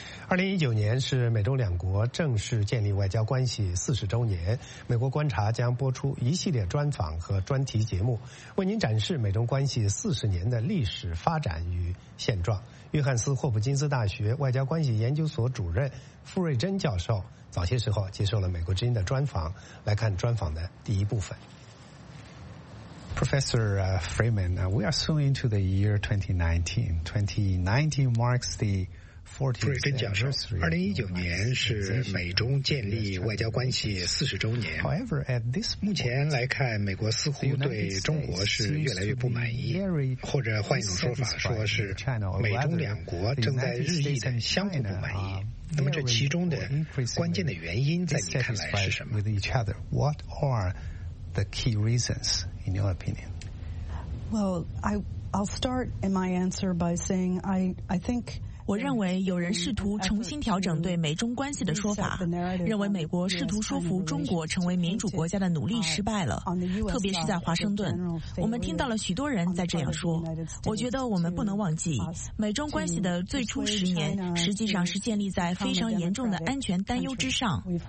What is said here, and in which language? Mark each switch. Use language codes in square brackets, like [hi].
[zh] 2019年是美中两国正式建立外交关系40周年，美国观察将播出一系列专访和专题节目，为您展示美中关系40年的历史发展与现状。约翰斯霍普金斯大学外交关系研究所主任傅瑞珍教授早些时候接受了美国之音的专访，来看专访的第一部分。 [en] Professor Freeman, we are soon into the year 2019 marks the [zh] 瑞珍教授，2019年是美中建立外交关系40周年。目前来看，美国似乎对中国是越来越不满意，或者换一种说法，说是美中两国正在日益的相互不满意。那么这其中的关键的原因，在你看来是什么 [en] ？With each other, what are the key reasons in your opinion? Well, I I'll start in my answer by saying I think... [zh] 我认为有人试图重新调整对美中关系的说法，认为美国试图说服中国成为民主国家的努力失败了，特别是在华盛顿。我们听到了许多人在这样说。我觉得我们不能忘记，美中关系的最初十年实际上是建立在非常严重的安全担忧之上。